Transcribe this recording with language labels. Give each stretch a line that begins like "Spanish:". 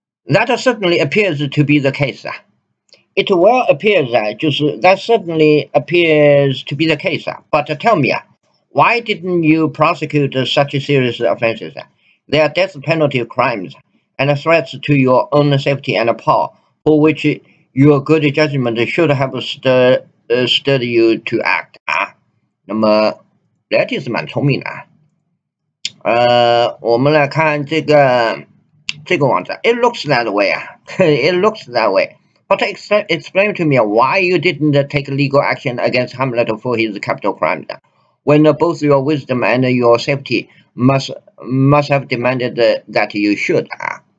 English: That certainly appears to be the case 啊，It well appears 啊，就是 That certainly appears to be the case 啊，But tell me 啊，Why didn't you prosecute such serious offences 啊？They are death penalty crimes and threats to your own safety and power, for which your good judgment should have stirred you to act 啊。
Chinese: 那么，莱蒂是蛮聪明的啊。我们来看这个。这个网站，
English: It looks that way 啊，It looks that way. But explain to me why you didn't take legal action against Hamlet for his capital crime, when both your wisdom and your safety must have demanded that you should 啊。